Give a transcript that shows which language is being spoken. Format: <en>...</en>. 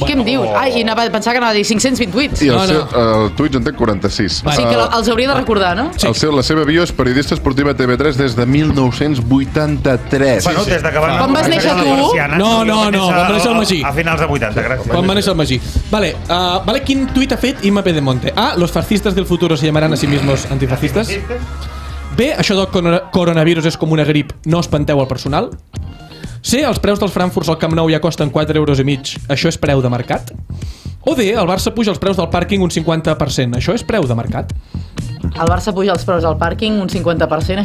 <ca>Què em dius? Ai, pensava que anava a dir 528. I el tuit en té 46. O sigui que els hauria de recordar, no? La seva bio és periodista esportiva a TV3 des de 1983. Bueno, des d'acabar... Quan vas néixer tu? No, quan va néixer el Magí. A finals de 80, gràcies. Quan va néixer el Magí. Vale, quin tuit ha fet Imma Pedemonte?</ca> <es>A, los fascistas del futuro se llamarán a sí mismos antifascistas.</es> <ca>B, això del coronavirus és com una grip, no espanteu el personal. Sí, els preus dels Frankfurt al Camp Nou ja costen 4,5 €. Això és preu de mercat? O D, el Barça puja els preus del pàrquing un 50%. Això és preu de mercat? El Barça puja els preus del pàrquing un 50%.</ca>